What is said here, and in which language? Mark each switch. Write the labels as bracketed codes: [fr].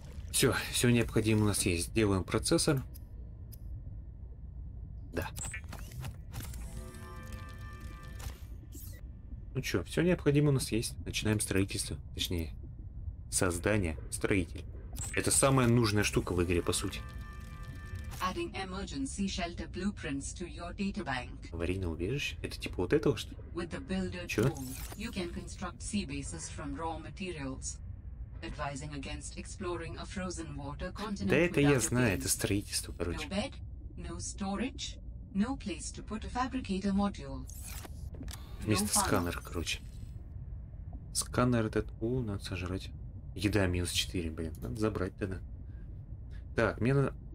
[ru] Все, все необходимое у нас есть. Делаем процессор. Да. Ну что, все необходимое у нас есть. Начинаем строительство. Точнее, создание. Строитель. Это самая нужная штука в игре, по сути. [en] Adding emergency shelter blueprints to your data bank. [ru] Аварийное убежище? Это типа вот этого, что ли? [en] With the builder tool, you can construct sea bases from raw materials, advising against exploring a frozen water continent. [ru] Да это я знаю, это строительство, короче. [en] No bed, no storage, no place to put a fabricator module. [ru] Вместо сканер, короче. Сканер этот, у, надо сожрать. Еда минус 4, блин, надо забрать тогда. Так, мне надо...